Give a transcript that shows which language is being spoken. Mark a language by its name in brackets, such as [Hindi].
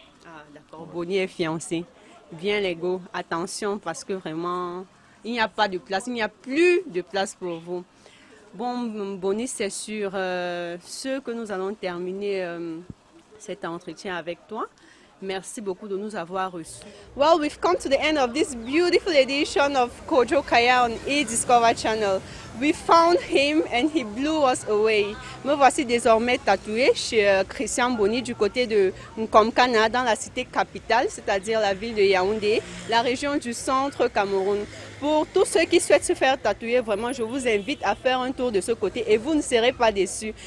[French] Ah d'accord, ouais. Boni est fiancé. Bien les gars, attention parce que vraiment, il n'y a pas de place, il n'y a plus de place pour vous. Bon, Boni, c'est sur ce que nous allons terminer cet entretien avec toi. Merci beaucoup de nous avoir reçus. [English] Well, we've come to the end of this beautiful edition of Kojo Kaya on eDiscover Channel. We found him and he blew us away. [French] Me voici désormais tatoué chez Christian Boni du côté de Komkana dans la cité capitale, c'est-à-dire la ville de Yaoundé, la région du centre Cameroun. Pour tous ceux qui souhaitent se faire tatouer, vraiment, je vous invite à faire un tour de ce côté et vous ne serez pas déçus.